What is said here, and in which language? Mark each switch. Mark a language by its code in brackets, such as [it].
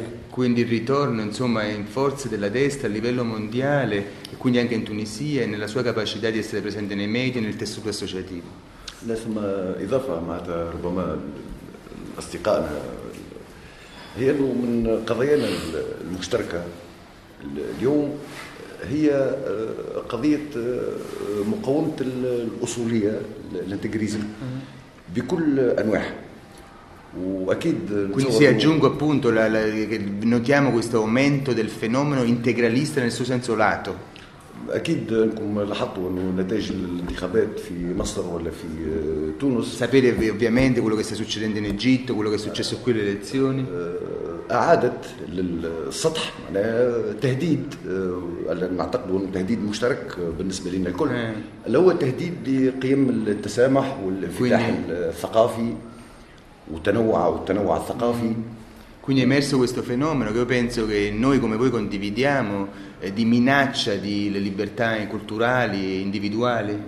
[it] Quindi il ritorno insomma in forze della destra a livello mondiale e quindi anche in Tunisia e nella sua capacità di essere presente nei media e nel tessuto associativo. [ar] هي انه من قضايانا المشتركه اليوم هي قضيه مقاومه الاصوليه الانتجريزم بكل انواعها. واكيد [it] quindi si aggiungo appunto notiamo questo aumento del fenomeno integralista nel suo senso lato. [ar] اكيد انكم لاحظتوا انه نتائج الانتخابات في مصر ولا في تونس. [it] sapete ovviamente quello che sta succedendo in Egitto, quello che è successo qui alle elezioni. [ar] أعادت للسطح معناها تهديد نعتقد أنه تهديد مشترك بالنسبة لنا الكل اللي هو تهديد بقيم التسامح والانفتاح الثقافي والتنوع والتنوع الثقافي. [it] Quindi è emerso questo fenomeno che io penso che noi come voi condividiamo di minaccia delle libertà culturali e individuali.